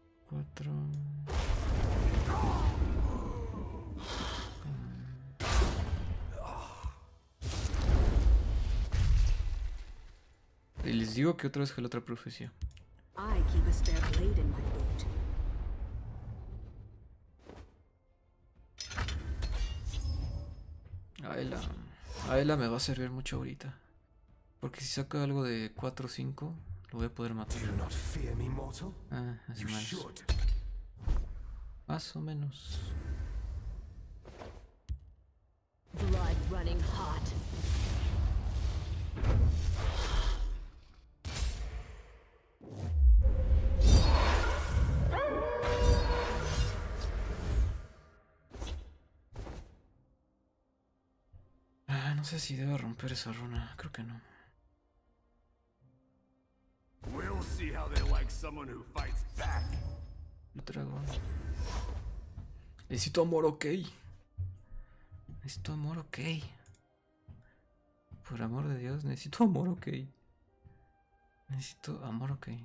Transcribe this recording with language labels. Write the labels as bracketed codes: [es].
[es] Cuatro. Y les digo que otra vez que la otra profecía. [en] I keep a spare blade in my boot. [es] Aela me va a servir mucho ahorita. Porque si saca algo de 4 o 5, lo voy a poder matar. [en] Do you not fear me, mortal? [es] Así más. Más o menos. [en] Blood running hot. [es] No sé si debo romper esa runa, creo que no. [en] We'll see how they like someone who fights back. [es] Lo traigo. Necesito amor, ok. Necesito amor, ok. Por amor de Dios, necesito amor, ok. Necesito amor, ok.